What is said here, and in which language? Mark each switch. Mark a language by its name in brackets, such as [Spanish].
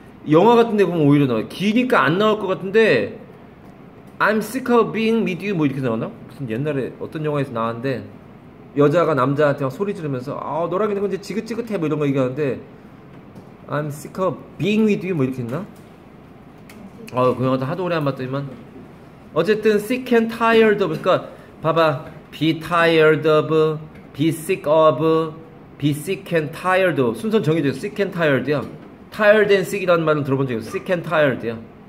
[Korean] 영화 같은 데 보면 오히려 나와요. 기니까 안 나올 것 같은데 [English] I'm sick of being with you [Korean] 뭐 이렇게 나오나? 무슨 옛날에 어떤 영화에서 나왔는데 여자가 남자한테 막 소리 지르면서 아 너랑 있는 건 이제 지긋지긋해 뭐 이런 거 얘기하는데 [English] I'm sick of being with you [Korean] 뭐 이렇게 했나? 아 그 영화도 하도 오래 안 봤더니만. 어쨌든 sick and tired of, 그러니까 봐봐. Be tired of, be sick of, be sick and tired of. 순서 정해져 있어. Sick and tired야. Tired and sick이라는 말은 들어본 적이 없어요. Sick and tired야.